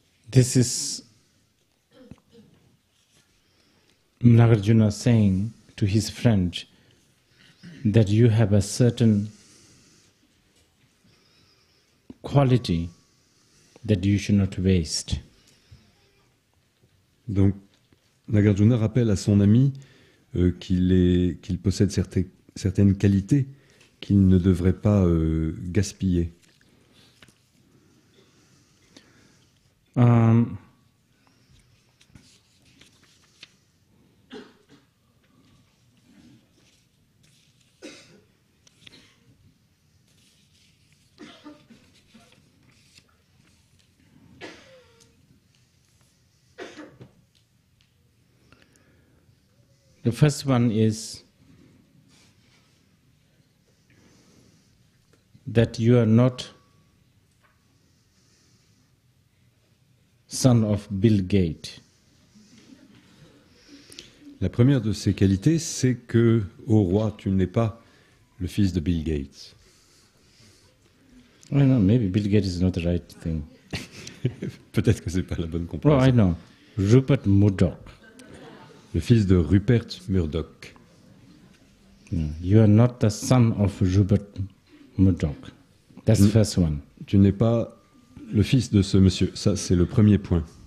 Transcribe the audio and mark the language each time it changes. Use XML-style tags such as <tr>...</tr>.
<en>This is Nagarjuna saying to his friend that you have a certain quality that you should not waste.</en> <fr>Donc Nagarjuna rappelle à son ami qu'il possède certaines qualités qu'il ne devrait pas gaspiller.</fr> <en>The first one is that you are not son of Bill Gates.</en> <fr>La première de ses qualités, c'est que, ô roi, tu n'es pas le fils de Bill Gates.</fr> <en>I know, maybe Bill Gates is not the right thing.</en> <fr>Peut-être que ce n'est pas la bonne comparaison.</fr> <en>Oh, I know. Rupert Murdoch.</en> <fr>Le fils de Rupert Murdoch.</fr> <en>You are not the son of Rupert Murdoch. That's the first one.</en> <fr>Tu n'es pas le fils de ce monsieur, ça c'est le premier point.</fr>